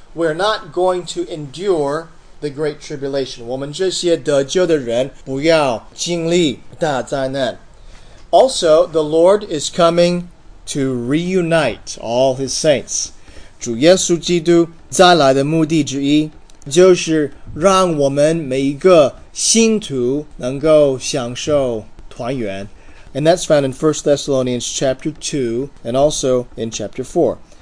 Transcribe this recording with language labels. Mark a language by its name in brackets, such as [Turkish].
[English] we're not going to endure the Great Tribulation. [Chinese] 我们这些得救的人不要经历大灾难。 [English] Also, the Lord is coming to reunite all His saints. [Chinese] 主耶稣基督再来的目的之一就是让我们每一个信徒能够享受团圆。 [English] And that's found in 1 Thessalonians chapter 2 and also in chapter 4.